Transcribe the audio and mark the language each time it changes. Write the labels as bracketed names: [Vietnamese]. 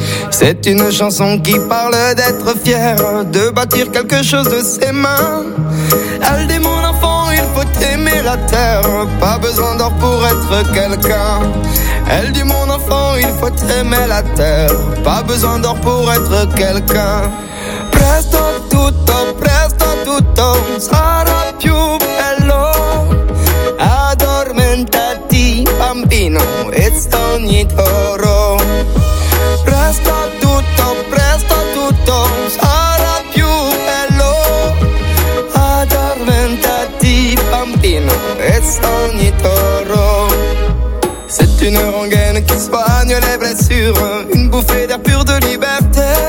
[French] C'est une chanson qui parle d'être fier, de bâtir quelque chose de ses mains. Elle dit mon enfant, il faut aimer la terre, pas besoin d'or pour être quelqu'un. Elle dit mon enfant, il faut aimer la terre, pas besoin d'or pour être quelqu'un. [Italian] Presto tutto, sarà più bello. Addormentati, bambino, e sogni d'oro. Presto tutto, sarà più bello. Addormentati, bambino, e sogni d'oro. [French] C'est une rengaine qui soigne les blessures, une bouffée d'air pur de liberté.